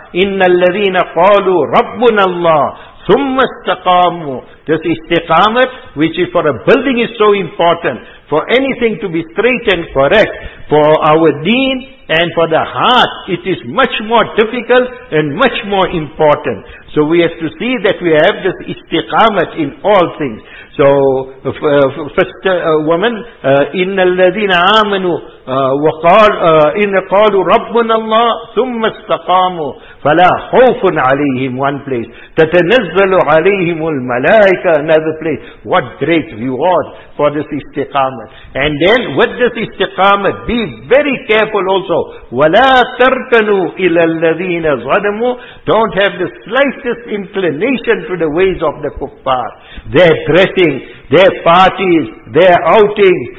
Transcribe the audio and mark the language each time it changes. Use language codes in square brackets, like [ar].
[ar] إِنَّ الَّذِينَ قَالُوا رَبُّنَ اللَّهِ ثُمَّ اسْتَقَامُوا [en] This istiqamat, which is for a building, is so important. For anything to be straight and correct, for our deen, And for the heart, it is much more difficult and much more important. So we have to see that we have this istiqamat in all things. So, first woman, [ar] إِنَّ الَّذِينَ آمَنُوا وَقَالُوا قَالُوا رَبُّنَ اللَّهِ ثُمَّ اسْتَقَامُوا فَلَا خَوْفٌ عَلَيْهِمْ [en] One place. [ar] تَتَنَزَّلُ عَلَيْهِمُ الْمَلَائِكَةُ [en] Another place. What great reward for this istiqamat. And then, with this istiqamat, be very careful also. [ar] وَلَا تَرْكَنُوا إِلَى الَّذِينَ ظَلَمُوا [en] Don't have the slightest inclination to the ways of the kuffar. They're their parties, their outings.